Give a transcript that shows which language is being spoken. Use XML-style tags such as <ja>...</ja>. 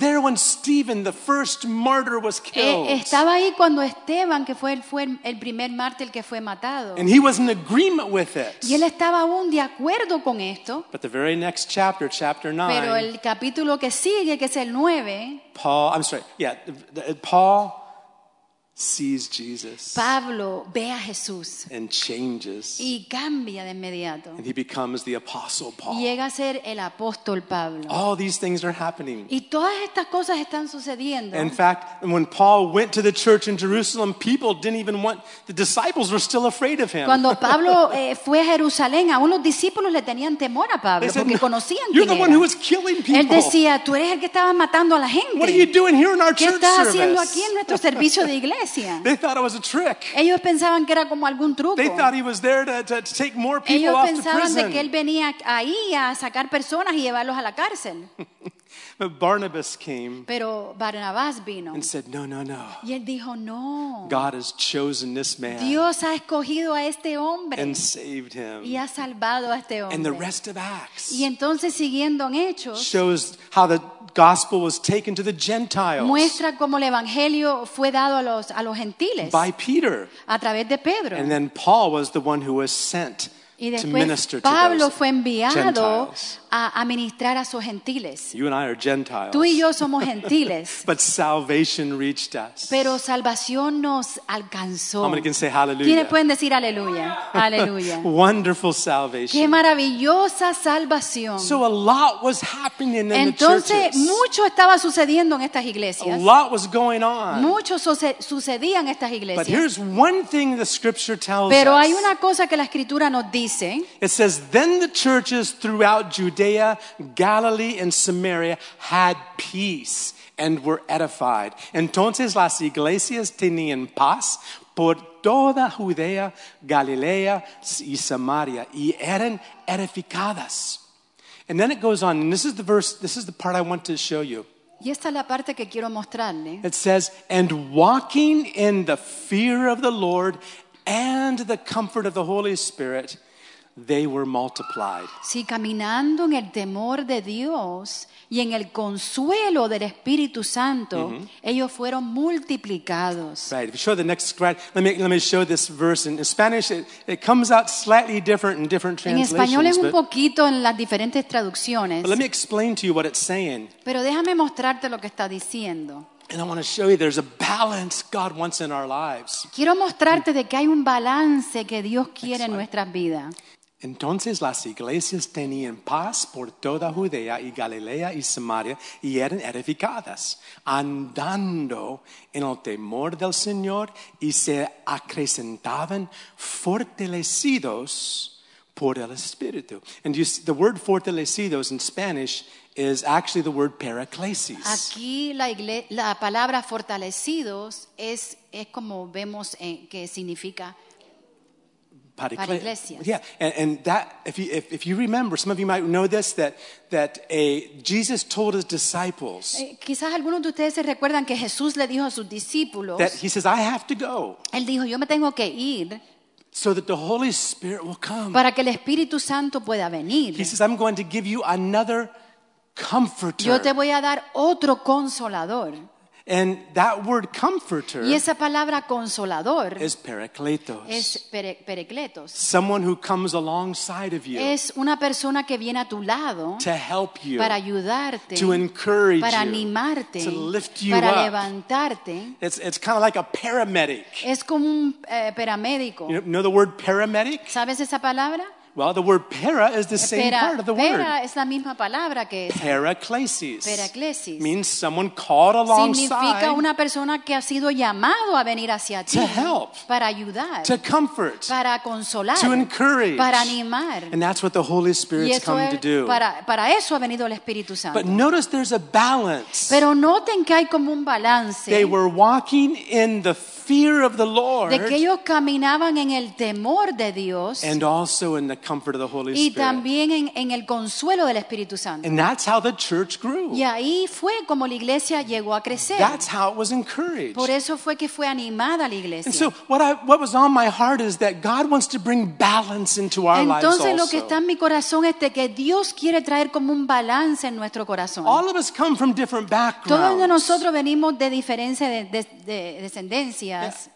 <en>there when Stephen, the first martyr, was killed.</en> <es>Estaba ahí cuando Esteban, que fue el primer mártir que fue matado.</es> <en>And he was in agreement with it.</en> <es>Y él estaba aún de acuerdo con esto.</es> <en>But the very next chapter, chapter 9.</en> <es>Pero el capítulo que sigue, que es el 9.</es> <en>Paul, I'm sorry, yeah, Paul sees Jesus.</en> <es>Pablo ve a Jesús.</es> <en>And changes.</en> <es>Y cambia de inmediato.</es> <en>And he becomes the apostle Paul.</en> <es>Llega a ser el apóstol Pablo.</es> <en>All these things are happening.</en> <es>Y todas estas cosas están sucediendo.</es> <en>In fact, when Paul went to the church in Jerusalem, people didn't even want, the disciples were still afraid of him.</en> <es>Cuando Pablo fue a Jerusalén, aún los discípulos le tenían temor a Pablo</es> <en>said,</en> <es>porque conocían quién era.</es> <en>You're the one who was killing people.</en> <es>Él decía, tú eres el que estaba matando a la gente.</es> <en>What are you doing here in our church service?</en> <es>¿Qué estás haciendo aquí en nuestro servicio de iglesia? iglesia.</es> <en>They thought it was a trick.</en> <es>Ellos pensaban que era como algún truco.</es> <en>They thought he was there to take more people</en> <es>ellos</es> <en>off the prison.</en> <es>Ellos pensaban que él venía ahí a sacar personas y llevarlos a la cárcel.</es> <en>But Barnabas came.</en> <es>Pero Barnabás vino.</es> <en>And said, no.</en> <es>Y él dijo, no.</es> <en>God has chosen this man.</en> <es>Dios ha escogido a este hombre.</es> <en>And saved him.</en> <es>Y ha salvado a este hombre.</es> <en>And the rest of Acts.</en> <es>Y entonces siguiendo en Hechos.</es> <en>Shows how the gospel was taken to the Gentiles.</en> <es>Muestra cómo el evangelio fue dado a los gentiles.</es> <en>By Peter.</en> <es>A través de Pedro.</es> <en>And then Paul was the one who was sent.</en> <es>Y después,</es> <en>to minister to</en> <es>Pablo</es> <en>those</en> <es>fue enviado</es> <en>Gentiles.</en> <es>A ministrar a sus gentiles.</es> <en>You and I are Gentiles.</en> <es>Tú y yo somos gentiles.</es> <en>But salvation reached us.</en> <es>Pero salvación nos alcanzó.</es> <en>How many can say hallelujah?</en> <es>¿Quiénes pueden decir aleluya? Aleluya.</es> <en>Wonderful salvation.</en> <es>Qué maravillosa salvación.</es> <en>So a lot was happening in</en> <es>Entonces,</es> <en>the churches.</en> <es>Mucho estaba sucediendo en estas iglesias.</es> <en>A lot was going on.</en> <es>Mucho sucedía en estas iglesias.</es> <en>But here's one thing the scripture tells</en> <es>Pero</es> <en>us.</en> <es>Pero hay una cosa que la escritura nos dice.</es> <en>It says, then the churches throughout Judea, Galilee, and Samaria had peace and were edified.</en> <es>Entonces las iglesias tenían paz por toda Judea, Galilea, y Samaria, y eran edificadas.</es> <en>And then it goes on, and this is the verse, this is the part I want to show you.</en> <es>Y esta es la parte que quiero mostrarle.</es> <en>It says, and walking in the fear of the Lord and the comfort of the Holy Spirit, they were multiplied.</en> <es>Sí, caminando en el temor de Dios y en el consuelo del Espíritu Santo, mm-hmm. ellos fueron multiplicados.</es> <en>Right. If you show the next slide, let me show this verse in Spanish. It comes out slightly different in different translations.</en> <es>En español es un poquito en las diferentes traducciones.</es> <en>But let me explain to you what it's saying.</en> <es>Pero déjame mostrarte lo que está diciendo.</es> <en>And I want to show you there's a balance God wants in our lives.</en> <es>Quiero mostrarte de que hay un balance que Dios quiere</es> <en>Excellent.</en> <es>En nuestras vidas. Entonces las iglesias tenían paz por toda Judea y Galilea y Samaria y eran edificadas, andando en el temor del Señor y se acrecentaban fortalecidos por el Espíritu.</es> <en>And you see, the word fortalecidos in Spanish is actually the word paraclesis.</en> <es>Aquí la palabra fortalecidos es como vemos que significa paraclesia.</es> <en>Yeah, and that if you remember, some of you might know this that Jesus told his disciples.</en> <es>Quizás algunos de ustedes se recuerdan que Jesús le dijo a sus discípulos.</es> <en>That he says, I have to go.</en> <es>Él dijo, yo me tengo que ir.</es> <en>So that the Holy Spirit will come.</en> <es>Para que el Espíritu Santo pueda venir.</es> <en>He says, I'm going to give you another comforter.</en> <es>Yo te voy a dar otro consolador.</es> <en>And that word comforter</en> <es>y esa palabra consolador</es> <en>is paracletos.</en> <es>Es paracletos.</es> <en>Someone who comes alongside of you.</en> <es>Es una persona que viene a tu lado</es> <en>to help you.</en> <es>Para ayudarte.</es> <en>To encourage you.</en> <es>Para animarte.</es> <en>To lift you</en> <es>para</es> <en>up.</en> <es>Para levantarte.</es> <en>It's kind of like a paramedic.</en> <es>Es como un paramédico.</es> <en>You know the word paramedic?</en> <es>¿Sabes esa palabra?</es> <en>Well, the word para is the same</en> <es>para,</es> <en>part of the</en> <es>para</es> <en>word.</en> <es>Para es la misma palabra que es.</es> <en>Paraclesis.</en> <es>Paraclesis.</es> <en>Means someone called alongside.</en> <es>Significa una persona que ha sido llamado a venir hacia ti.</es> <en>To help.</en> <es>Para ayudar.</es> <en>To comfort.</en> <es>Para consolar.</es> <en>To encourage.</en> <es>Para animar.</es> <en>And that's what the Holy Spirit's come to do.</en> <es>Para eso ha venido el Espíritu Santo.</es> <en>But notice there's a balance.</en> <es>Pero noten que hay como un balance.</es> <en>They were walking in the fear of the Lord.</en> <es>De que ellos caminaban en el temor de Dios.</es> <en>And also in the comfort of the Holy Spirit.</en> <es>Y también en el consuelo del Espíritu Santo.</es> <en>And that's how the church grew.</en> <es>Y ahí fue como la iglesia llegó a crecer.</es> <en>That's how it was encouraged.</en> <es>Por eso fue que fue animada la iglesia.</es> <en>And so what was on my heart is that God wants to bring balance into our</en> <es>Entonces,</es> <en>lives also.</en> <es>Entonces lo que está en mi corazón es de que Dios quiere traer como un balance en nuestro corazón.</es> <en>All of us come from different backgrounds.</en> <es>Todos de nosotros venimos de diferencia de descendencias.</es>